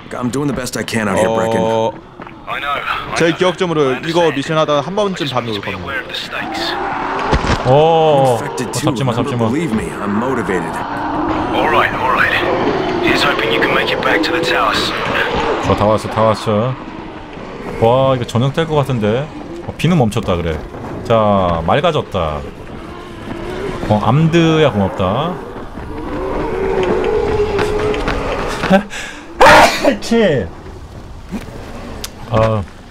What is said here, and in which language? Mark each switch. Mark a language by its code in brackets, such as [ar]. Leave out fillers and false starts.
[en] I'm doing the best I can out here, Brecken. [ko] 제 기억점으로 이거 미션 하다 한 번쯤 밤이 올 겁니다. 오, 잡지마, 잡지마. [en] Believe me, I'm motivated. Alright, alright. Here's hoping you can make it back to the towers. [ko] 저 다 왔어, 다 왔어. 와, 이거 저녁 될 것 같은데. 어, 비는 멈췄다 그래. 자, 맑아졌다. 어, 암드야 고맙다. 치. 아.